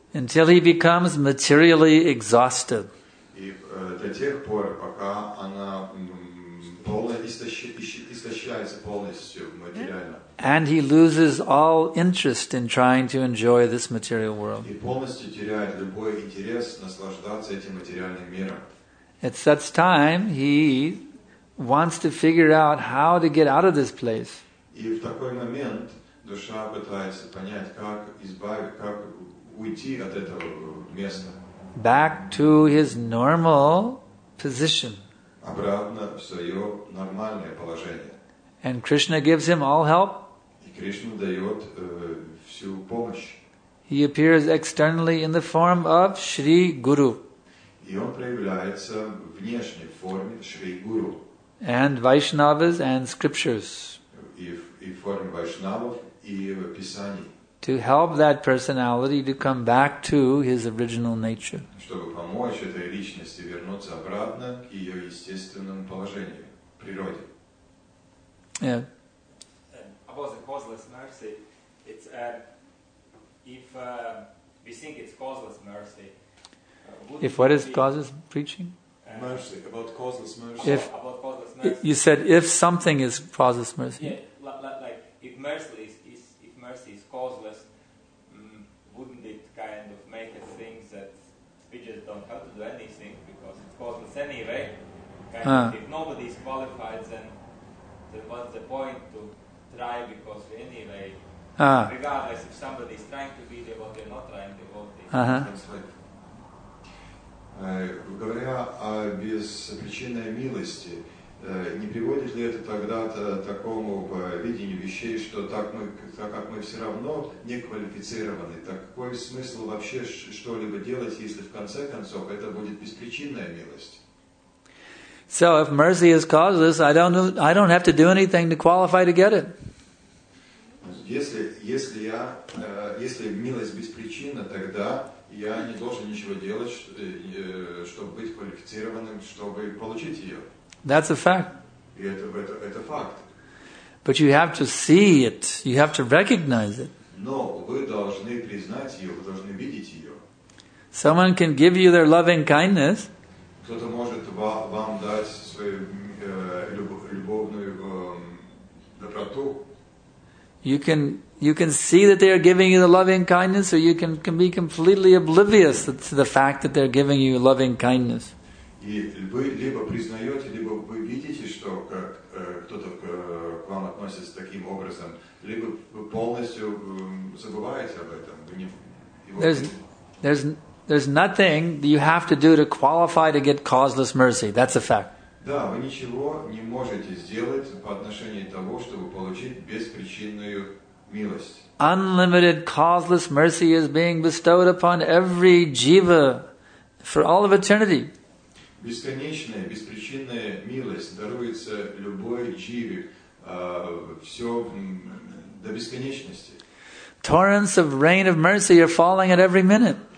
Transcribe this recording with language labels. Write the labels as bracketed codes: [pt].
[en] Until he becomes materially exhausted. [ru] И до тех пор, пока она истощается полностью материально. [en] And he loses all interest in trying to enjoy this material world. [ru] И полностью теряет любой интерес наслаждаться этим материальным миром. [en] At such time, he wants to figure out how to get out of this place. [ru] И в такой момент душа пытается понять, как избавить, как уйти от этого места. [en] Back to his normal position. [ru] Обратно в свое нормальное положение. [en] And Krishna gives him all help. [ru] И Кришна дает всю помощь. [en] He appears externally in the form of Shri Guru. [ru] И он проявляется в внешней форме Шри Гуру. [en] And Vaishnavas and scriptures. [ru] И в форме Вайшнавов и в Писании. [en] To help that personality to come back to his original nature. [ru] Чтобы помочь этой личности вернуться обратно к ее естественному положению, природе. [en] Yeah. About the causeless mercy, it's if we think it's causeless mercy. If what is causeless preaching? Mercy, about causeless mercy. If, about causeless mercy. You said if something is causeless mercy. Yeah, like if mercy is causeless, wouldn't it kind of make a thing that we just don't have to do anything because it's causeless anyway? Kind of, if nobody is qualified, then what's the point to try because anyway? Regardless if somebody is trying to be devotee, they're not trying to be devotee. [ru] Говоря о беспричинной милости, не приводит ли это тогда к такому видению вещей, что так как мы все равно не квалифицированы, так какой смысл вообще что-либо делать, если в конце концов это будет беспричинная милость? [en] So if mercy is causeless, I don't have to do anything to qualify to get it. [ru] Если милость беспричинна, тогда я не должен ничего делать, чтобы быть квалифицированным, чтобы получить ее. [en] That's a fact. [ru] И это факт. [en] But you have to see it. You have to recognize it. [ru] Но вы должны признать ее, вы должны видеть ее. [en] Someone can give you their loving kindness. [ru] Кто-то может вам дать свою любовную доброту. [en] You can see that they are giving you the loving kindness, or you can be completely oblivious to the fact that they're giving you loving kindness. [ru] И вы либо признаете, либо вы видите, что как кто-то к вам относится таким образом, либо вы полностью забываете об этом. [en] There's nothing you have to do to qualify to get causeless mercy. That's a fact. [ru] Да, вы ничего не можете сделать по отношению того, чтобы получить беспричинную милость. [en] Unlimited causeless mercy is being bestowed upon every jiva for all of eternity. [ru] Бесконечная, беспричинная милость даруется любой дживе все до бесконечности. [en] Torrents of rain of mercy are falling at every minute.